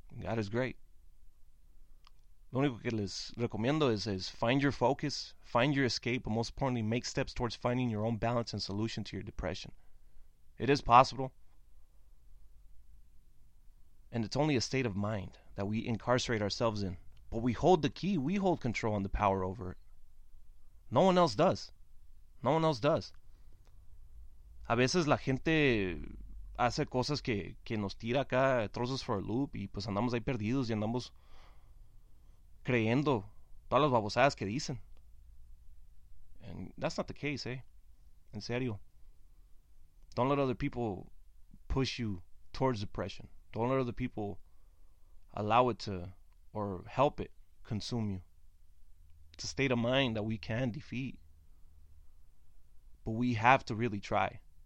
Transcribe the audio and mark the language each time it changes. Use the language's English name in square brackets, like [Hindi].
[English] God is great. [Spanish] Lo único que les recomiendo es [English] find your focus, find your escape, but most importantly, make steps towards finding your own balance and solution to your depression. It is possible. And it's only a state of mind that we incarcerate ourselves in. But we hold the key. We hold control and the power over it. No one else does. No one else does. [Spanish] A veces la gente hace cosas que nos tira acá, [English] throws us for a loop, [Spanish] y pues andamos ahí perdidos y andamos creyendo todas las babosadas que dicen. [English] And that's not the case, eh? [Spanish] En serio. [English] Don't let other people push you towards depression. Don't let other people allow it to, or help it, consume you. It's a state of mind that we can defeat. But we have to really try.